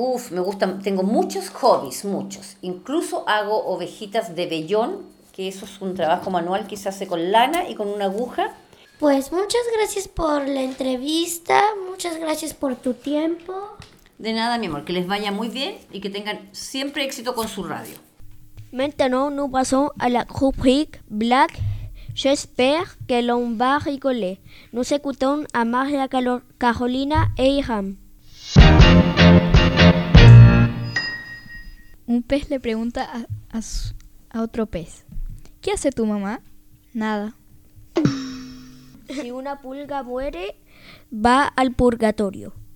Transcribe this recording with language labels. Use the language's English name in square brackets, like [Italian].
[Spanish] Me gustan, tengo muchos hobbies, muchos. Incluso hago ovejitas de vellón, que eso es un trabajo manual que se hace con lana y con una aguja. Pues muchas gracias por la entrevista, muchas gracias por tu tiempo. De nada, mi amor, que les vaya muy bien y que tengan siempre éxito con su radio. [French] Maintenant, nous passons à la rubrique Black. J'espère que l'on va rigoler. Nous écoutons à Maria Carolina et Iram. [Spanish] Un pez le pregunta a otro pez. ¿Qué hace tu mamá? Nada. Si una pulga muere, va al purgatorio.